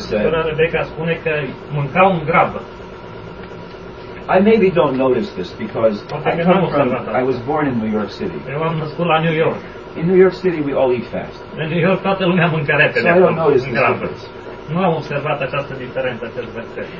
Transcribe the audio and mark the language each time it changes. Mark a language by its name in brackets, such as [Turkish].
[Romanian] Sora Rebecca spune că mâncau în grabă. [English] I maybe don't notice this because I was born in New York City. [Romanian] Eu am născut la New York. [English] In New York City we all eat fast. [Romanian] În New York toată lumea mâncă repede. [English] So I don't notice this difference. [Romanian] Nu am observat această diferență, acest verset.